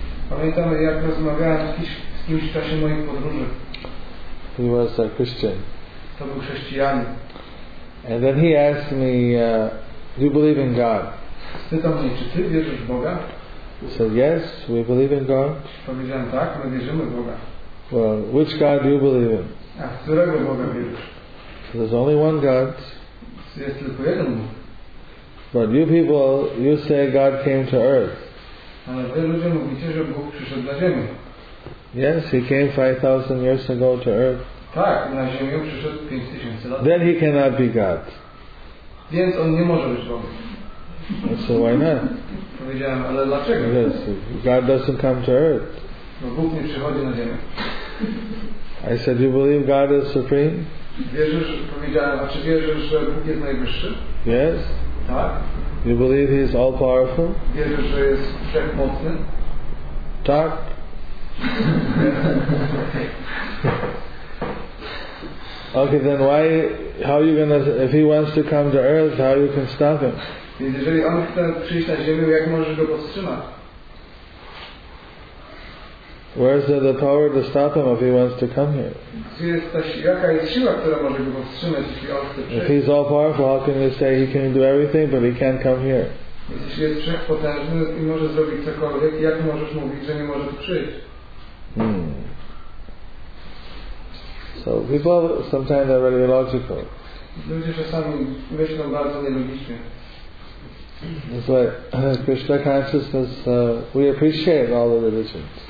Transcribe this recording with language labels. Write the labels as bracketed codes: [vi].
[pl] Pamiętam, jak rozmawiałem z kimś w czasie moich podróży. [en] He was a Christian. [pl] To był chrześcijanin. [en] And then he asked me, do you believe in God? [pl] Pytam mnie, czy ty wierzysz w Boga? [en] I said, yes, we believe in God. [pl] Powiedziałem, tak, my wierzymy w Boga. [en] Well, which God do you believe in? [pl] A w którego Boga wierzysz? [en] So there's only one God. [pl] Jest tylko jeden Bóg. [en] But you people, you say God came to earth. [pl] Ale wy ludzie mówicie, że Bóg przyszedł na ziemię. [en] Yes, he came 5,000 years ago to earth. [pl] Tak, na ziemię przyszedł 5,000 lat. [en] Then he cannot be God. [pl] Więc on nie może być Bogiem. [en] So why not? [pl] Powiedziałem, ale dlaczego? [en] Because God doesn't come to earth. [pl] Bo Bóg nie przychodzi na ziemię. [en] I said, you believe God is supreme? [pl] Wierzysz, powiedziałem, a czy wierzysz, że Bóg jest najwyższy? [en] Yes. [pl] Tak. [en] You believe he is all powerful? [pl] Wierzysz, że jest wszechmocny? Tak. [en] Okay, then why, how are you gonna, if he wants to come to earth, how you can stop him? [pl] Więc jeżeli on chce przyjść na ziemię, jak możesz go powstrzymać? [en] Where is the power to stop him if he wants to come here? [pl] Jaka jest siła, która może go powstrzymać, jeśli on chce przyjść? [en] If he's all powerful, how can you say he can do everything, but he can't come here? [pl] Jeśli jest wszechpotężny i może zrobić cokolwiek, jak możesz mówić, że nie może przyjść? [en] So people sometimes are very illogical. [pl] Ludzie czasami myślą bardzo nielogicznie. [en] It's like Krishna consciousness, we appreciate all the religions.